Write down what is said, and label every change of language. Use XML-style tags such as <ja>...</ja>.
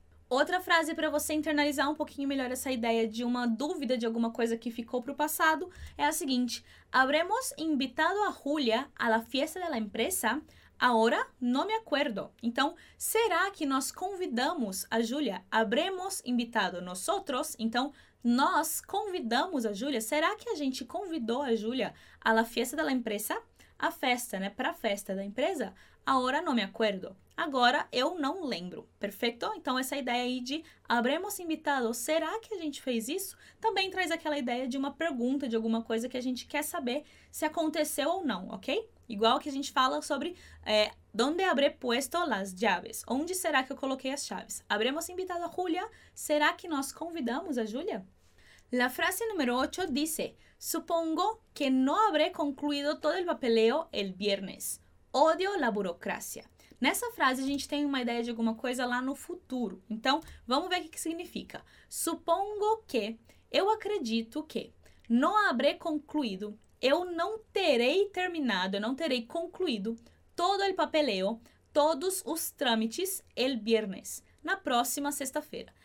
<pt>Outra frase para você internalizar um pouquinho melhor essa ideia de uma dúvida de alguma coisa que ficou para o passado é a seguinte:</pt> <es>Habremos invitado a Julia a la fiesta de la empresa? Ahora no me acuerdo.</es> <pt>Então, será que nós convidamos a Júlia?</pt> <es>Habremos invitado nosotros?</es> <pt>Então, nós convidamos a Júlia? Será que a gente convidou a Júlia</pt> <es>a la fiesta de la empresa?</es> <pt>A festa, né? Para a festa da empresa?</pt> <es>Ahora no me acuerdo.</es> <pt>Agora eu não lembro. Perfeito? Então, essa ideia aí de</pt> <es>habremos invitado,</es> <pt>será que a gente fez isso? Também traz aquela ideia de uma pergunta, de alguma coisa que a gente quer saber se aconteceu ou não, ok? Igual que a gente fala sobre</pt> <es>donde habré puesto las llaves?</es> <pt>Onde será que eu coloquei as chaves?</pt> <es>Habremos invitado a Julia?</es> <pt>Será que nós convidamos a Julia?</pt> <es>La frase número 8 dice: supongo que no habré concluido todo el papeleo el viernes. Odio la burocracia.</es> <pt>Nessa frase, a gente tem uma ideia de alguma coisa lá no futuro. Então, vamos ver o que significa. Supongo que, eu acredito que,</pt> <es>no habré concluído,</es> <pt>eu não terei terminado, eu não terei concluído</pt> <es>todo el papeleo,</es> <pt>todos os trâmites,</pt> <es>el viernes,</es> <pt>na próxima sexta-feira.</pt>